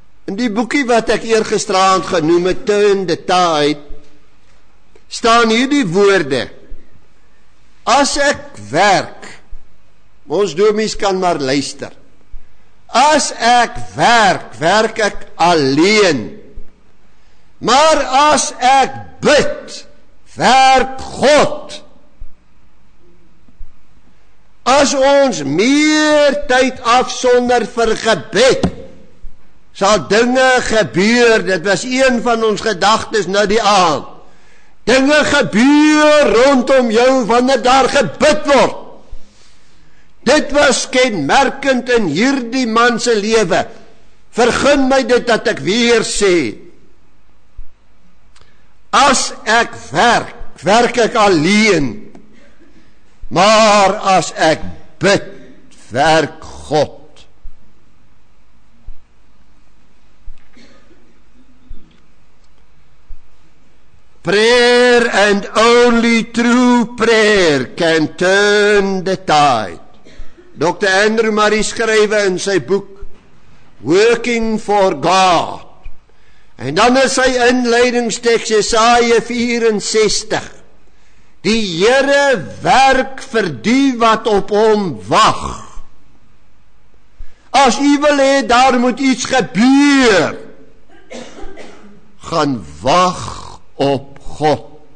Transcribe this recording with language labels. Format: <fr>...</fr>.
<af>In die boekie wat ek eergisteraand genoem het, Turn the Tide, staan hierdie woorde: as ek werk, ons domies kan maar luister, as ek werk, werk ek alleen, maar as ek bid, werk God. As ons meer tyd afsonder vir gebed, sal dinge gebeur. Dit was een van ons gedagtes na die aand. Dinge gebeur rondom jou wanneer daar gebid word. Dit was kenmerkend in hierdie man se lewe. Vergun my dit dat ek weer sê. As ek werk, werk ek alleen. Maar as ek bid, werk God.</af> <en>Prayer and only true prayer can turn the tide. Dr.</en> <af>Andrew Murray skrywe in sy boek Working for God. En dan is sy inleidingstek Jesaja 64. Die Here werk vir die wat op hom wag. As u wil hê daar moet iets gebeur, gaan wag op God.</af>